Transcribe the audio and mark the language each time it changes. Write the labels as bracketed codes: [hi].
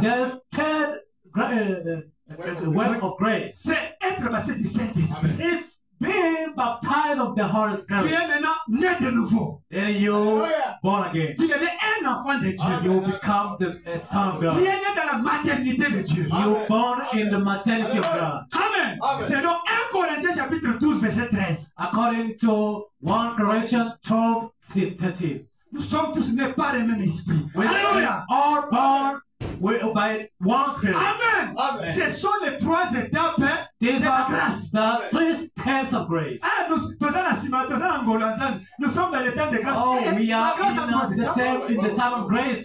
[en] There's third work of grace. [fr] C'est être baptisé du Saint-Esprit. [en] Amen. It's being baptized of the Holy Spirit. [fr] Tu es maintenant né de nouveau. [en] Then you're born again. [fr] Tu deviens un enfant de Dieu. [en] You become the son of God. [fr] Tu es né dans la maternité de Dieu. [en] You are born in the maternity of God. [fr] Amen. Selon 1 Corinthiens chapitre 12 verset 13. [en] According to 1 Corinthians 12 verse 13. [fr] Nous sommes tous nés par le même esprit. [en] Alléluia. All born by one spirit. Amen. Amen. [fr] Ce sont les trois étapes de la grâce. [en] The three steps of grace. [fr] Ah, nous sommes dans le temps de grâce. [en] Oh, we are in the time of grace.